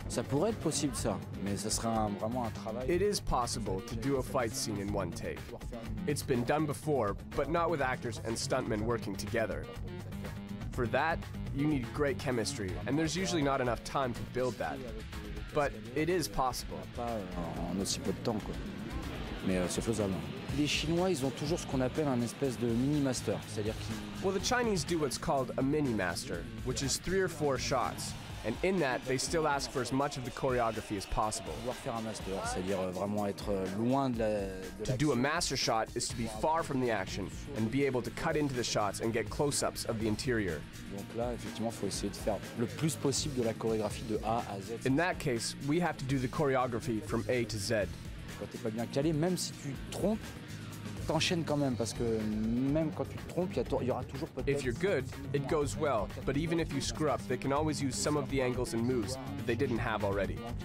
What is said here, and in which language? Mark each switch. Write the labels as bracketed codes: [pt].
[fr] Ça pourrait être possible ça, mais ça sera vraiment un travail. [en] It is possible to do a fight scene in one take. It's been done before, but not with actors and stuntmen working together. For that, you need great chemistry, and there's usually not enough time to build that. But it is possible. [fr] En aussi peu de temps quoi. Mais c'est faisable. Les Chinois, ils ont toujours ce qu'on appelle un espèce de mini-master, c'est-à-dire qu'ils... [en] Well, the Chinese do what's called a mini-master, which is 3 or 4 shots, and in that, they still ask for as much of the choreography as possible. [fr] Faire un master, c'est-à-dire vraiment être loin de la... [en] To do a master shot is to be far from the action, and be able to cut into the shots and get close-ups of the interior. [fr] Donc là, effectivement, faut essayer de faire le plus possible de la chorégraphie de A à Z. [en] In that case, we have to do the choreography from A to Z. [fr] Quand t'es pas bien calé, même si tu trompes, t'enchaînes quand même, parce que même quand tu te trompes, il y aura toujours peut-être... [en] If you're good, it goes well, but even if you screw up, they can always use some of the angles and moves that they didn't have already.